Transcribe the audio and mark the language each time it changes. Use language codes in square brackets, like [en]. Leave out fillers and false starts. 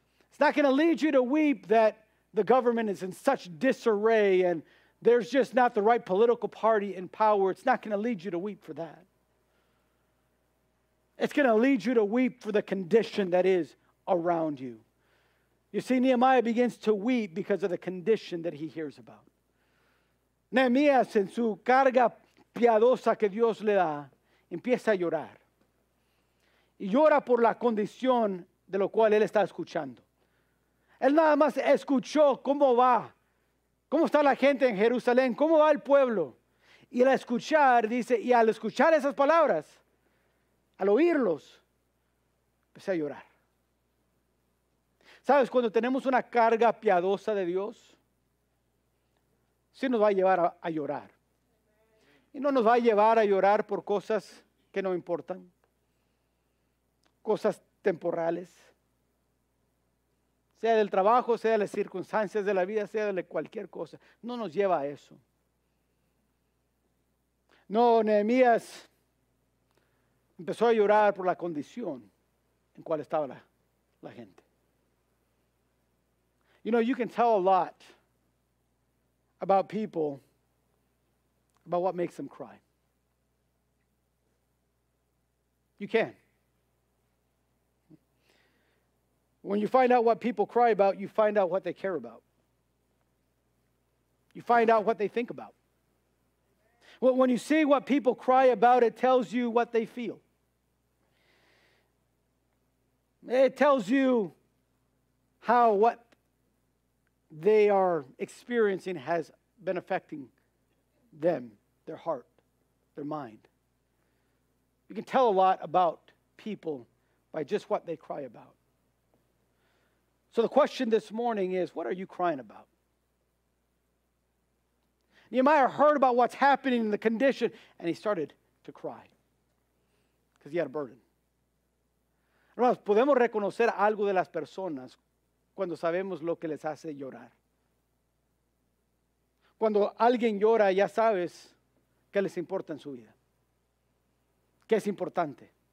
[en] It's not going to lead you to weep that the government is in such disarray and there's just not the right political party in power. It's not going to lead you to weep for that. It's going to lead you to weep for the condition that is around you. You see, Nehemiah begins to weep because of the condition that he hears about. [es] Nehemías, en su carga piadosa que Dios le da, empieza a llorar. Y llora por la condición de lo cual él está escuchando. Él nada más escuchó cómo va, cómo está la gente en Jerusalén, cómo va el pueblo. Y al escuchar, dice, y al escuchar esas palabras, al oírlos, empecé a llorar. ¿Sabes? Cuando tenemos una carga piadosa de Dios, sí nos va a llevar a llorar. Y no nos va a llevar a llorar por cosas que no importan, cosas temporales, sea del trabajo, sea de las circunstancias de la vida, sea de cualquier cosa. No nos lleva a eso. No, Nehemías empezó a llorar por la condición en cual estaba la gente. [en] You know, you can tell a lot about people about what makes them cry. You can. When you find out what people cry about, you find out what they care about. You find out what they think about. Well, when you see what people cry about, it tells you what they feel. It tells you how what they are experiencing has been affecting them, their heart, their mind. You can tell a lot about people by just what they cry about. So the question this morning is, what are you crying about? Nehemiah heard about what's happening in the condition, and he started to cry because he had a burden. [es] Hermanos, podemos reconocer algo de las personas cuando sabemos lo que les hace llorar. Cuando alguien llora, ya sabes qué les importa en su vida, qué es importante.